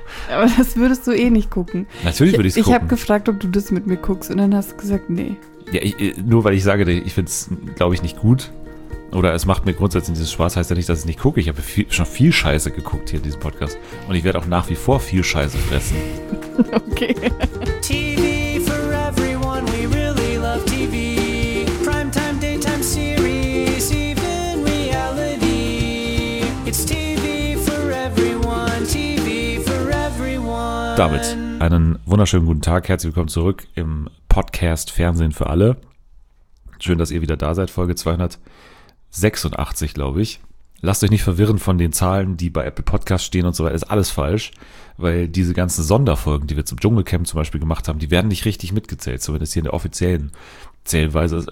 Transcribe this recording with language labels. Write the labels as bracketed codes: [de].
[de] Aber das würdest du eh nicht gucken. Natürlich würde ich es gucken. Ich habe gefragt, ob du das mit mir guckst, und dann hast du gesagt, nee. Ja, nur weil ich sage, ich finde es, glaube ich, nicht gut. Oder es macht mir grundsätzlich dieses Spaß, heißt ja nicht, dass ich es nicht gucke. Ich habe schon viel Scheiße geguckt hier in diesem Podcast. Und ich werde auch nach wie vor viel Scheiße fressen. Okay. [en] TV for everyone, we really love TV. Primetime, daytime series, even reality. It's TV for everyone, TV for everyone. [de] Damit einen wunderschönen guten Tag. Herzlich willkommen zurück im Podcast Fernsehen für alle. Schön, dass ihr wieder da seid, Folge 286, glaube ich. Lasst euch nicht verwirren von den Zahlen, die bei Apple Podcasts stehen und so weiter. Ist alles falsch, weil diese ganzen Sonderfolgen, die wir zum Dschungelcamp zum Beispiel gemacht haben, die werden nicht richtig mitgezählt, zumindest hier in der offiziellen Zählweise.